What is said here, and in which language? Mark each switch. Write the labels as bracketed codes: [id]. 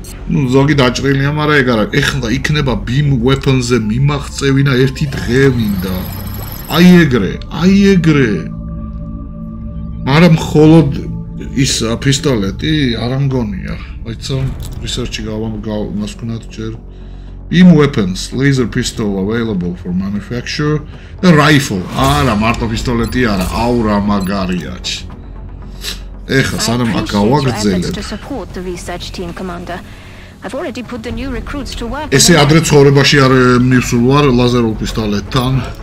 [ru] Ну, [ka] ზოგი დაჭრილია, მაგრამ ეგ არა. ეხლა იქნება beam weapon-ზე მიმაღწევინა ერთი დღე მინდა. აი ეგრე, აი ეგრე. მაგრამ მხოლოდ ის პისტოლეტი არ ამგონია. ვიცი, research-ში გავამასკნათ ჯერ. [en] Beam weapons, laser pistol available for manufacture. The rifle. [ka] არა, მარტო პისტოლეტი არა, აუ რა მაგარია. ეხა სანამ აქ გავაგრძელებ. ესე ადრე ცხოვრებაში არ მივსულვარ ლაზერულ პისტოლეტთან.